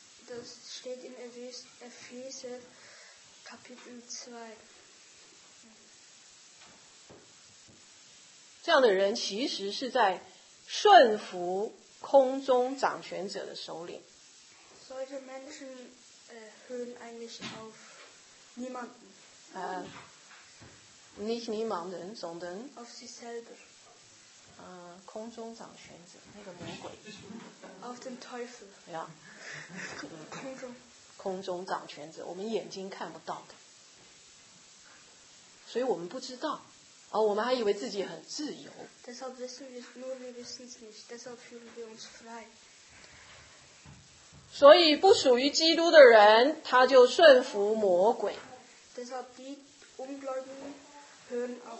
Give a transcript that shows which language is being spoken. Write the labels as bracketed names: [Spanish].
[German] Das steht in Epheser Kapitel 2. [Chinese] 这样的人其实是在顺服空中掌权者的首领。 [German] Solche Menschen hören eigentlich auf niemanden. Nicht niemanden, sondern auf sich selber. [Chinese] 空中掌权者，那个魔鬼。 [German] Auf den Teufel. Ja. [Chinese] 空中。空中掌权者，我们眼睛看不到的，所以我们不知道。哦，我们还以为自己很自由。 [German] Deshalb wissen wir nur, wir wissen es nicht. Deshalb fühlen wir uns frei. [Chinese] 所以不属于基督的人，他就顺服魔鬼。 [German] Deshalb die Ungläubigen.